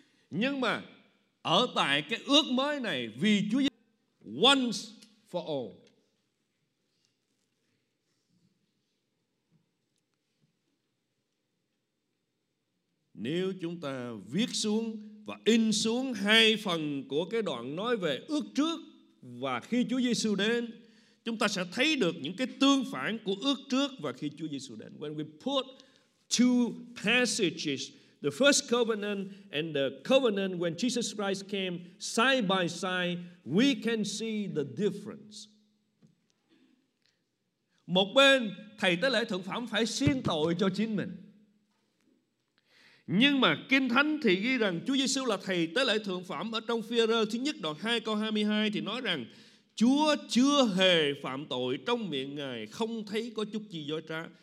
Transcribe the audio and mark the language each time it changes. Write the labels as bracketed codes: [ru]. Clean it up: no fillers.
[vi] Nhưng mà ở tại cái ước mới này, vì Chúa Giê-xu [en] once for all, [vi] nếu chúng ta viết xuống và in xuống hai phần của cái đoạn nói về ước trước và khi Chúa Giêsu đến, chúng ta sẽ thấy được những cái tương phản của ước trước và khi Chúa Giêsu đến. [en] When we put two passages, the first covenant and the covenant when Jesus Christ came side by side, we can see the difference. [vi] Một bên thầy tế lễ thượng phẩm phải xin tội cho chính mình. Nhưng mà Kinh Thánh thì ghi rằng Chúa Giêsu là thầy tế lễ thượng phẩm. Ở trong Phi-e-rơ thứ nhất đoạn 2 câu 22 thì nói rằng Chúa chưa hề phạm tội, trong miệng Ngài không thấy có chút gì dối trá.